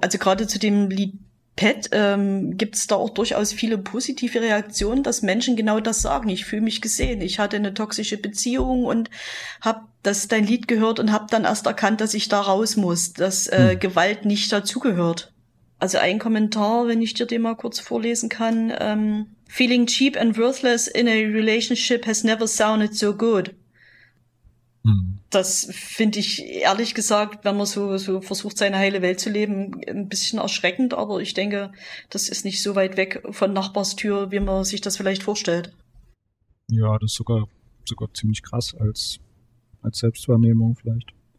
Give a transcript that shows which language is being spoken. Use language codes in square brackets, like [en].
[de] Also gerade zu dem Lied Pet gibt es da auch durchaus viele positive Reaktionen, dass Menschen genau das sagen. Ich fühle mich gesehen, ich hatte eine toxische Beziehung und habe das dein Lied gehört und habe dann erst erkannt, dass ich da raus muss, dass Gewalt nicht dazugehört. Also ein Kommentar, wenn ich dir den mal kurz vorlesen kann. [en] Feeling cheap and worthless in a relationship has never sounded so good. [de] Das finde ich, ehrlich gesagt, wenn man so versucht, seine heile Welt zu leben, ein bisschen erschreckend. Aber ich denke, das ist nicht so weit weg von Nachbarstür, wie man sich das vielleicht vorstellt. Ja, das ist sogar ziemlich krass als Selbstwahrnehmung vielleicht.